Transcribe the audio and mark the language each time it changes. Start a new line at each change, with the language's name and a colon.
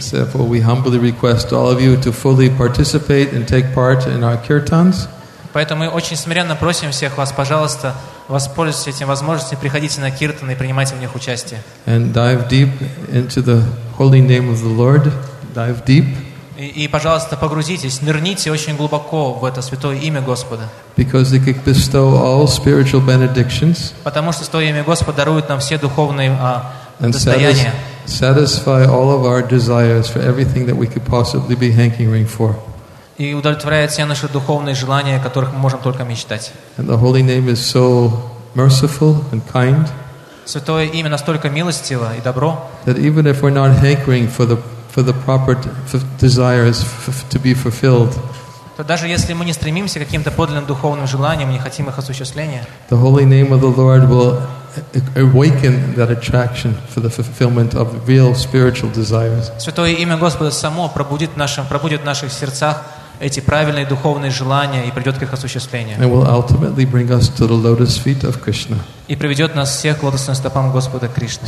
English: Therefore, we humbly request all of you to fully participate and take part in our kirtans.
Russian: Поэтому мы очень смиренно просим всех вас, пожалуйста, воспользуйтесь этим возможностью, приходите на киртаны и принимайте в них участие.
English: And dive deep into the holy name of the Lord. Dive deep.
Russian: И, пожалуйста, погрузитесь, нырните очень глубоко в это святое имя Господа.
English: Because it could bestow all spiritual benedictions.
Russian: Потому что святое имя Господа дарует нам все духовные достояния.
English: Satisfy all of our desires for everything that we could possibly be hankering for.
Russian: И удовлетворяет все наши духовные желания, о которых мы можем только мечтать.
English: And the holy name is so merciful and kind.
Russian: Святое имя настолько милостиво и добро.
English: That even if we're not hankering for the proper desires to be fulfilled.
Russian: То даже если мы не стремимся к каким-то подлинным духовным желаниям, не хотим их осуществления.
English: The holy name of the Lord will awaken that attraction for the fulfillment of real spiritual desires.
Russian: Святое имя Господа само пробудит в наших сердцах эти правильные духовные желания и приведет к их осуществлению.
English: And will ultimately bring us to the lotus feet of Krishna.
Russian: И приведет нас всех к лотосным стопам Господа Кришны.